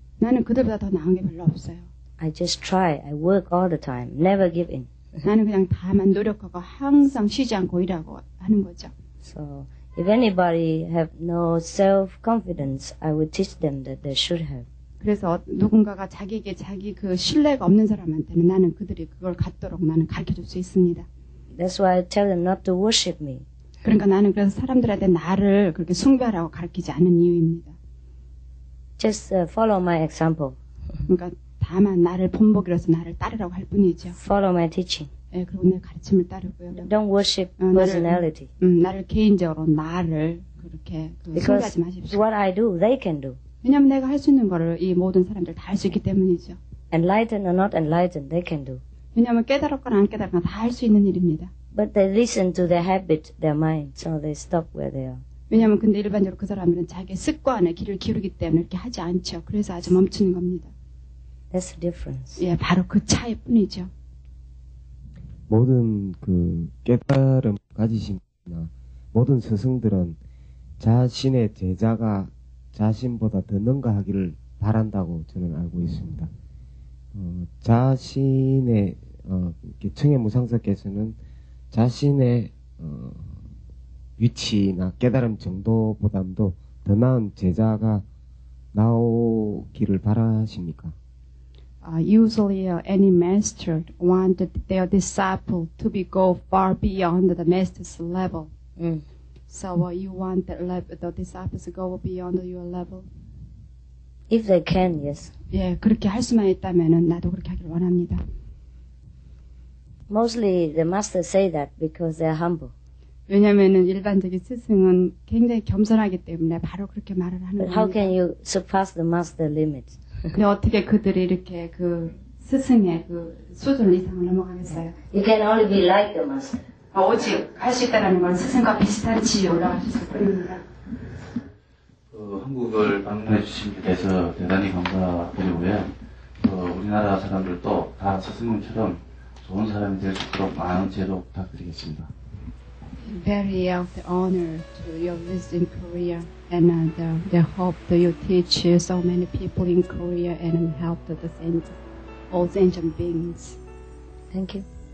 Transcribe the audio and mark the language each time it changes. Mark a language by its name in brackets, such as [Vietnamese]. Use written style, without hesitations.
[Korean] 나는 그들보다 더 나은 게 별로 없어요. [English] I just try. I work all the time. Never give in. [Korean] 나는 그냥 다만 노력하고 항상 쉬지 않고 일하고 하는 거죠. [English] So if anybody have no self-confidence, I will teach them that they should have. [Korean] 그래서 누군가가 자기에게 자기 그 신뢰가 없는 사람한테는 나는 그들이 그걸 갖도록 나는 가르쳐줄 수 있습니다. [English] That's why I tell them not to worship me. [Korean] 그러니까 나는 그래서 사람들한테 나를 그렇게 숭배하라고 가르치지 않은 이유입니다. [English] Just follow my example. [Korean] 그러니까 다만 나를 본보기로서 나를 따르라고 할 뿐이죠. [English] Follow my teaching. [Korean] 네, 그리고 내 가르침을 따르고요. [English] Don't worship personality. [Korean] 나를 개인적으로 나를 그렇게 숭배하지 마십시오. [English] What I do, they can do. [Korean] 왜냐하면 내가 할 수 있는 거를 이 모든 사람들 다 할 수 있기 때문이죠. [English] Enlightened or not enlightened, they can do. [Korean] 왜냐하면 깨달았거나 안 깨달았거나 다 할 수 있는 일입니다. [English] But they listen to their habit, their mind, so they stop where they are. [Korean] 왜냐하면 근데 일반적으로 그 사람들은 자기 습관의 길을 기르기 때문에 이렇게 하지 않죠. 그래서 아주 멈추는 겁니다. [English] That's the difference. [Korean] 예, 바로 그 차이 뿐이죠. 모든 그 깨달음 가지신나 모든 스승들은 자신의 제자가 자신보다 더 능가하기를 바란다고 저는 알고 있습니다. 자신의 청해 무상사께서는 자신의 위치나 깨달음 정도보다도 더 나은 제자가 나오기를 바라십니까? [English] Usually, any master wanted their disciple to be go far beyond the master's level. So you want the disciples to go beyond your level? If they can, yes. [Korean] 예, 그렇게 할 수만 있다면은 나도 그렇게 하길 원합니다. [English] Mostly the masters say that because they're humble. [Korean] 왜냐하면은 일반적인 스승은 굉장히 겸손하기 때문에 바로 그렇게 말을 하는 거예요. [English] How can you surpass the master limit? [Korean] 근데 어떻게 그들이 이렇게 그 스승의 그 수준 이상을 넘어가겠어요? [English] You can only be like the master. [Korean] 오직 할 수 있다는 건 스승과 비슷한 지위에 올라갈 수 있을 뿐입니다. 한국을 방문해 주신 데 대해서 대단히 감사드리고요. 우리나라 사람들도 다 스승님처럼 좋은 사람이 될 수 있도록 많은 지혜도 부탁드리겠습니다. [English] Very honored to your visit in Korea and the hope that you teach so many people in Korea and help the saints, all sentient beings. Thank you.